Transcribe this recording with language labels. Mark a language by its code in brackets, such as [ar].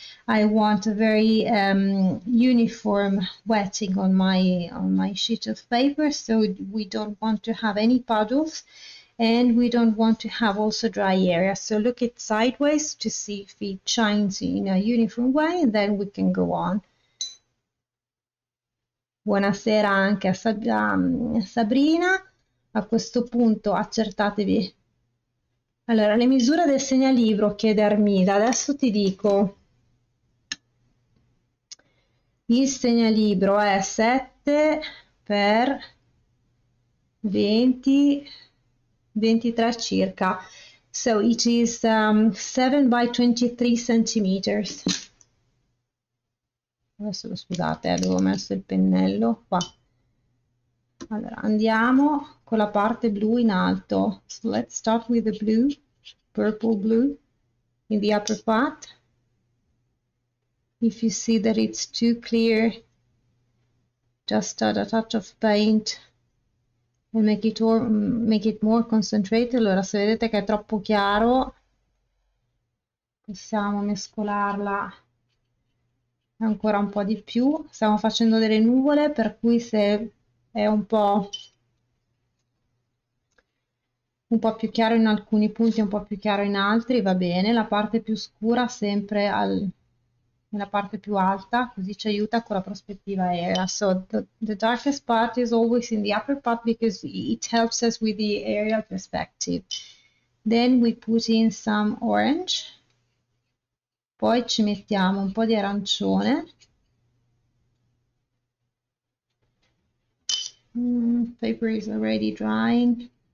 [en] I want a very uniform wetting on my sheet of paper, so we don't want to have any puddles, and we don't want to have also dry areas. So look it sideways to see if it shines in a uniform way, and then we can go on. [it] Buonasera anche a Sabrina. A questo punto accertatevi. Allora, le misure del segnalibro chiede Armida. Adesso ti dico. Il segnalibro è 7 per 20, 23 circa. [en] So it is 7 by 23 centimeters. [it] Adesso lo scusate, avevo messo il pennello qua. Allora andiamo con la parte blu in alto. [en] So let's start with the blue, purple blue, in the upper part. If you see that it's too clear, just add a touch of paint and make it more concentrated. [it] Allora, se vedete che è troppo chiaro, possiamo mescolarla ancora un po' di più. Stiamo facendo delle nuvole, per cui se è un po' più chiaro in alcuni punti, un po' più chiaro in altri, va bene. La parte più scura sempre nella parte più alta, così ci aiuta con la prospettiva aerea. [en] So the darkest part is always in the upper part because it helps us with the aerial perspective. Then we put in some orange, [it] poi ci mettiamo un po' di arancione. [en] Paper is already drying.